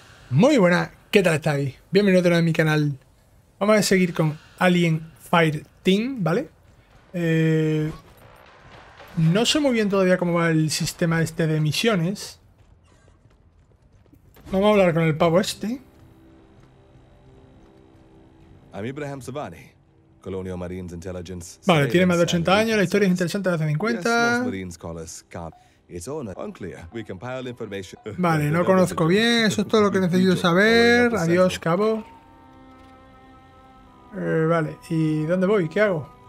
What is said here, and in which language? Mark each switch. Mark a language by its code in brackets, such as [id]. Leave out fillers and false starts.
[es] Muy buenas, ¿qué tal estáis? Bienvenidos de nuevo a mi canal. Vamos a seguir con Alien Fire Team, ¿vale? No sé muy bien todavía cómo va el sistema este de misiones. Vamos a hablar con el pavo este. [en] I'm Ibrahim Savani, Colonial Marines Intelligence. [es] Vale, tiene más de 80 años, la historia es interesante de hace 50. [en] Yes, Marines call us cop. It's unclear. We compile information. [es] Vale, no conozco bien, eso es todo lo que necesito saber. Adiós, cabo. Vale, ¿y dónde voy? ¿Qué hago?